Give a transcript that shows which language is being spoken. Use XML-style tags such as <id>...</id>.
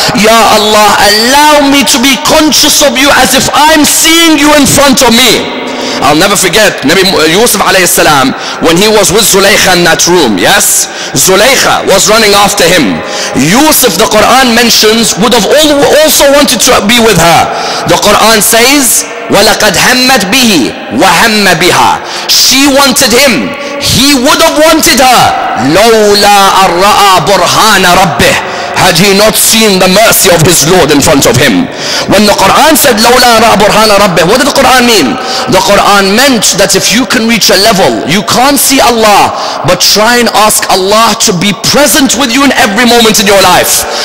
<en>Ya Allah, allow me to be conscious of you as if I'm seeing you in front of me. I'll never forget Nabi Yusuf alayhi salam when he was with Zulaykha in that room. Yes, Zulaykha was running after him. Yusuf, the Quran mentions, would have also wanted to be with her. The Quran says,</en> <ar>وَلَقَدْ هَمَّتْ بِهِ وَهَمَّ بِهَا.</ar> <en>She wanted him, he would have wanted her.</en> <ar>لَوْلَا أَرَّأَ بُرْهَانَ رَبِّهِ.</ar> <en>Had he not seen the mercy of his Lord in front of him. When the Quran said,</en> <ar>لَوْلَا أَرَّأَ بُرْهَانَ رَبِّهِ,</ar> <en>what did the Quran mean? The Quran meant that if you can reach a level, you can't see Allah, but try and ask Allah to be present with you in every moment in your life.</en>